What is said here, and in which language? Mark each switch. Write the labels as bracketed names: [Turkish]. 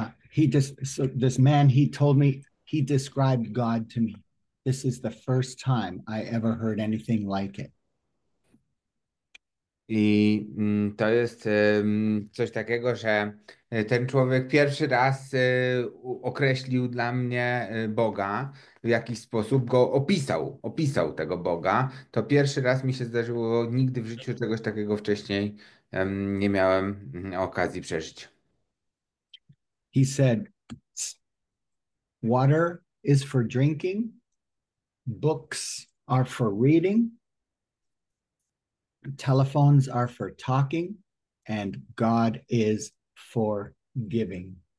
[English] He just so this man he told me he described God to me. This is the first time I ever heard anything like it. [Polish] I to jest coś takiego, że ten człowiek pierwszy raz określił dla mnie Boga, w jakiś sposób go opisał tego Boga. To pierwszy raz mi się zdarzyło, nigdy w życiu czegoś takiego wcześniej nie miałem okazji przeżyć. [English] He said, "Water is for drinking, books are for reading, telephones are for talking, and God is for giving."